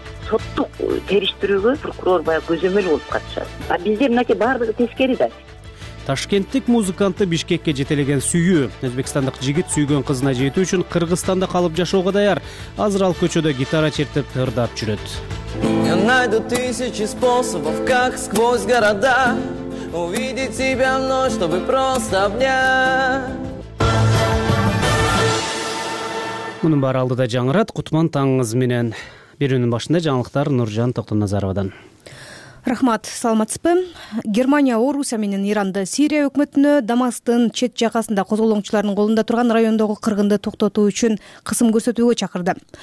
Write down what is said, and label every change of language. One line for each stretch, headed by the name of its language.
Kyrgyz: Соттук териштирүүгө прокурор баягы көзөмөл болуп катышат. А бизде мынакей баардыгы тескери да. Ташкенттик музыкантты Бишкекке жетелеген сүйүү. Өзбекстандык жигит сүйгөн кызына жетүү үчүн Кыргызстанда калып жашоого даяр. Азыр ал көчөдө гитара чертип ырдап жүрөт.
Russian: Я найду тысячи способов, как сквозь города увидеть тебя вновь, чтобы просто обнять.
Kyrgyz: Мунун баары алдыда жаңырат. Кутман таңыңыз менен. Берүүнүн башында жаңылыктар Нуржан Токтоназаровадан. Рахмат, саламатсызбы. Германия, Орусия менен Иранды Сирия өкмөтүнө Дамасктын чет жагасында козголоңчулардын колунда турган райондогу кыргынды токтотуу үчүн кысым көрсөтүүгө чакырды.